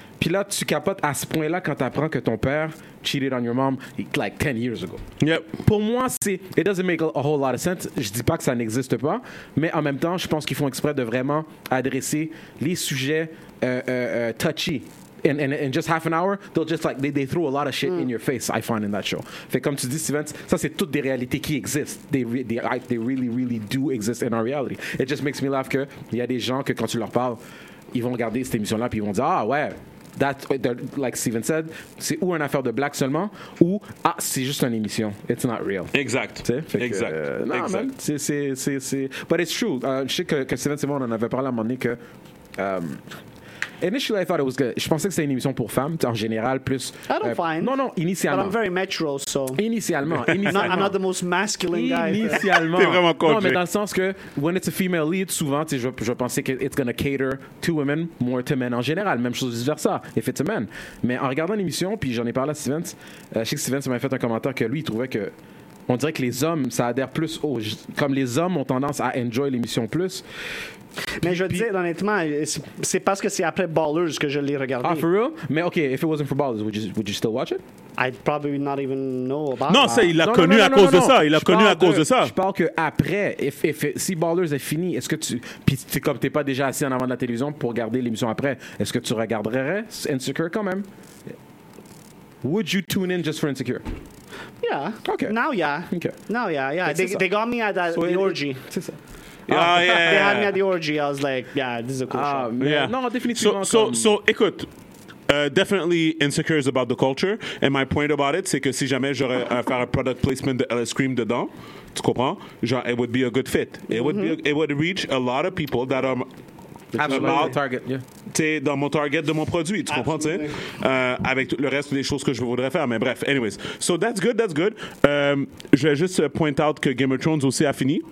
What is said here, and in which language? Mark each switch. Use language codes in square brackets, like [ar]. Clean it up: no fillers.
[fr] Puis là, tu capotes à ce point-là quand tu apprends que ton père [en] cheated on your mom like 10 years ago. Yep. [fr] Pour moi, [en] it doesn't make a whole lot of sense. [fr] Je dis pas que ça n'existe pas, mais en même temps, je pense qu'ils font exprès de vraiment adresser les sujets touchy. [en] In just half an hour, they'll just like they throw a lot of shit in your face. I find in that show. [fr] Fait comme tu dis, Steven, ça c'est toutes des réalités qui existent. [en] They really really do exist in our reality. It just makes me laugh [fr] que il y a des gens que quand tu leur parles, ils vont regarder cette émission là puis ils vont dire ah ouais. [en] That, like Steven said, [fr] c'est ou une affaire de black seulement, ou ah, c'est juste une émission. [en] It's not real. [fr] Exact. Exact. Non, mais c'est. [en] But it's true. [fr] Je sais que Steven, c'est bon, on en avait parlé à un moment donné que. [en] Initially, I thought it was good. [fr] Je pensais que c'était une émission pour femmes, en général, plus. [en] I don't find. [fr] Non, initialement. [en] But I'm very metro, so. [fr] Initialement. [en] I'm not the most masculine guy. [fr] Initialement. T'es vraiment contre. Non, mais dans le sens que, [en] when it's a female lead, [fr] souvent, tu sais, je pensais que [en] it's going to cater to women more to men [fr] en général. Même chose vice versa, [en] if it's a man. [fr] Mais en regardant l'émission, puis j'en ai parlé à Steven, je sais que Steven m'a fait un commentaire que lui, il trouvait que. On dirait que les hommes, ça adhère plus au. Comme les hommes ont tendance à enjoy l'émission plus. Mais je veux dire, honnêtement, c'est parce que c'est après Ballers que je l'ai regardé. [en] Ah, for real? Mais OK, if it wasn't for Ballers, would you still watch it? I'd probably not even know about it. [fr] Non, ça, il l'a connu à cause de ça. Il l'a connu à cause de ça. Je parle qu'après, si Ballers est fini, est-ce que tu... Puis c'est comme t'es pas déjà assis en avant de la télévision pour regarder l'émission après, est-ce que tu regarderais Insecure quand même? [en] Would you tune in just for Insecure? Yeah. Okay. Now, yeah. Okay. Now, yeah, yeah. They got me at that, so the orgy. [fr] C'est ça. [en] Yeah. They had me at the orgy. I was like, yeah, this is a cool show. Yeah. No, definitely. So, [fr] écoute. [en] Definitely Insecure is about the culture. And my point about it, c'est que si jamais j'aurais à faire un product placement de LS Cream dedans, tu comprends? Genre, it would be a good fit. It would reach a lot of people that are... [fr] Absolument. [en] Target, yeah. [fr] T'es dans mon target de mon produit, tu comprends, tu sais? Avec le reste des choses que je voudrais faire. Mais bref, anyways. [en] So that's good. [fr] Je vais juste point out que Game of Thrones aussi a fini.